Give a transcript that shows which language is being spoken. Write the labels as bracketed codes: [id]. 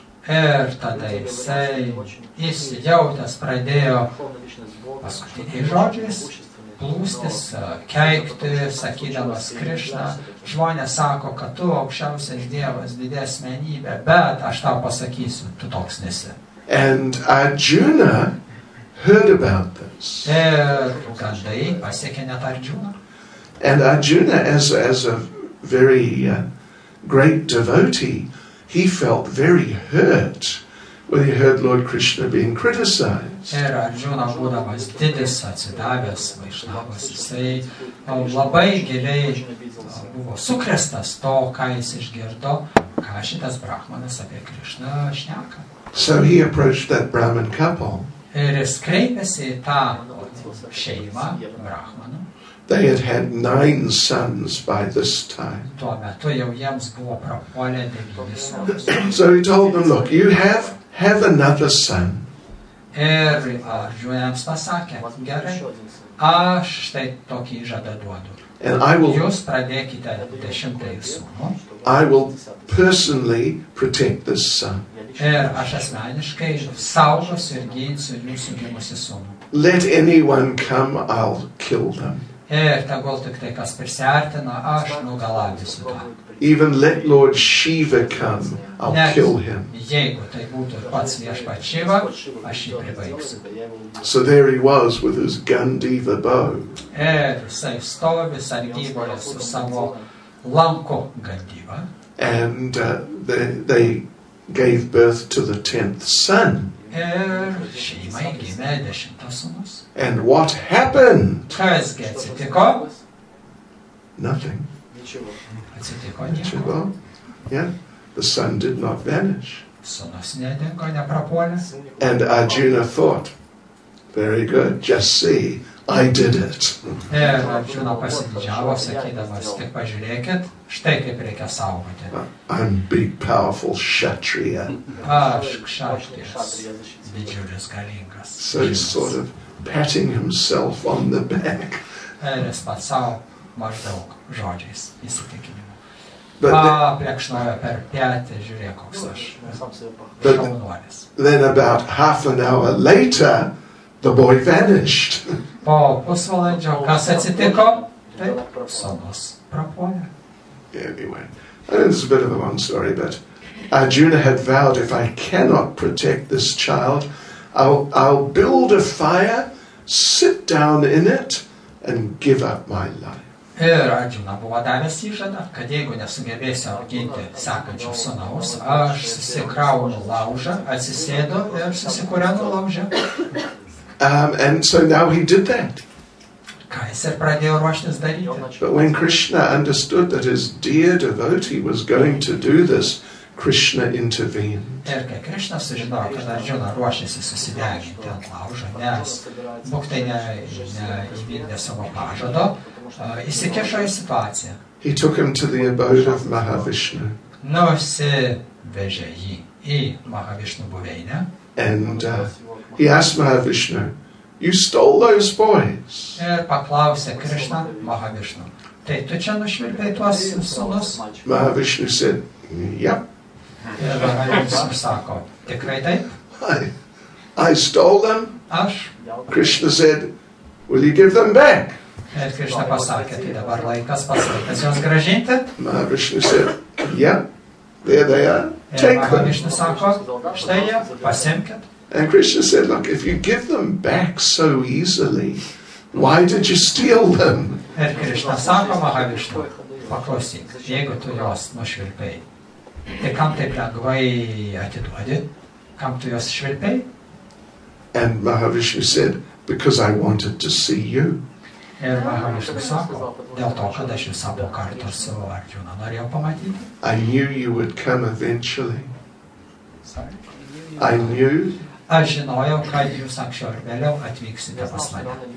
[lt] Ir tada jisai įsijautęs pradėjo paskutiniais žodžiais plūstis, keikti, sakydamas Krišna, žmonės sako, kad tu aukščiausias dievas, didesmenybė, bet aš tau pasakysiu, tu toks nesi. [en] And Arjuna heard about this. [lt] Ir gandai pasiekė net Arjuna. [en] And Arjuna, as a very great devotee, he felt very hurt when he heard Lord Krishna being criticized. [lt] Ir Arjuna, būdamas didis, atsidavęs, vaišnavas, jisai labai giliai buvo sukrestas to, ką jis išgirdo, ką šitas brahmanas apie Krishna šneka. [en] So he approached that Brahmin couple. [lt] Ir jis kreipėsi į tą šeimą, brahmaną. [en] They had had 9 sons by this time. [lt] Tuo metu jau jiems buvo prapuolę 9 sūnus. [en] So he told them, look, you have another son. [lt] Ir Arjunams pasakė, gerai, aš štai tokį įžadą duodu. Jūs pradėkite 10 sūnų. [en] I will personally protect this son. [lt] Ir aš asmeniškai saugosiu ir ginsiu jūsų gimusį sūnų. [en] Let anyone come, I'll kill them. [lt] Ir tegul tik tai kas prisertina, aš nugalabysiu tą. [en] Even let Lord Shiva come, I'll [lt] Net [en] kill him. [lt] Jeigu tai būtų pats viešpats Shiva, aš jį pribaigsiu. [en] So there he was with his Gandiva bow. [lt] Ir jisai stovi sargyboje su savo lanku Gandiva. [en] And they gave birth to the 10th son. [lt] Ir šeimai gimė 10 sūnus. [en] And what happened? [lt] Kas gi atsitiko? [en] Nothing. [lt] Atsitiko nieko. [en] Yeah, the sun did not vanish. [lt] Sūnus nedingo, neprapuolė. [en] And Arjuna thought, very good, just see, I did it. [lt] Ir Arjuna pasididžiavo, sakydamas, tik pažiūrėkit, štai kaip reikia saugoti. [en] I'm big, powerful kshatriya. [lt] Aš kshatrijas, didžiulis, galingas. [en] So he's sort of patting himself on the back. [lt] Ir jis pats savo maždaug žodžiais įsitikinimu. Paplekšnojo per petį, žiūrėk, koks aš šaunuolis. [en] Then about half an hour later, the boy vanished. [lt] Po pusvalandžio, kas atsitiko? Taip, sūnus prapuolė. [en] Anyway, I mean, it's a bit of a long story, but Arjuna had vowed, if I cannot protect this child, I'll build a fire, sit down in it, and give up my life. [lt] Ir Arjuna buvo davęs įžadą, kad jeigu nesugebėsiu auginti sekančio sūnaus, aš susikraunu laužą, atsisėdu ir susikūrenu laužą. [en] And so now he did that. [lt] Ką jis ir pradėjo ruoštis daryti. [en] But when Krishna understood that his dear devotee was going to do this, Krishna intervened. [lt] Ir kai Krishna sužinojo, kad Arjuna ruošėsi susideginti ant laužo, nes Bhuktai neįvykdė savo pažado, įsikišo į situaciją. [en] He took him to the abode of Mahavishnu. [lt] Nusivežė jį į Mahavishnu buveinę. [en] And he asked Mahavishnu, you stole those boys. [lt] Ir paklausė Krishna Mahavishnu, tai tu čia nušvilpėjai tuos sūnus? [en] Mahavishnu said, yep. [lt] Ir Mahavishnu sako, tikrai taip? [en] I stole them. [lt] Aš. [en] Krishna said, will you give them back? [lt] Ir Krishna pasakė, tai dabar laikas pasakęs jos gražinti. [en] Mahavishnu said, yep, there they are, take them. [lt] Ir Mahavishnu sako, štai jie, pasimkit. [en] And Krishna said, look, if you give them back so easily, Why did you steal them? [lt] Ir Krishna sako Mahavishnu, paklausyk, jeigu tu jos nušvilpėjai, tai kam taip lengvai atiduodi? Kam tu jos švilpėjai? [en] And Mahavishnu said, because I wanted to see you. [lt] Ir Mahavishnu sako, dėl to, kad aš jūs abu kartu su Arjuna norėjau pamatyti. [en] I knew you would come eventually. Sorry. I knew. [lt] Aš žinojau, kad jūs anksčiau ar vėliau atvyksite pas mane.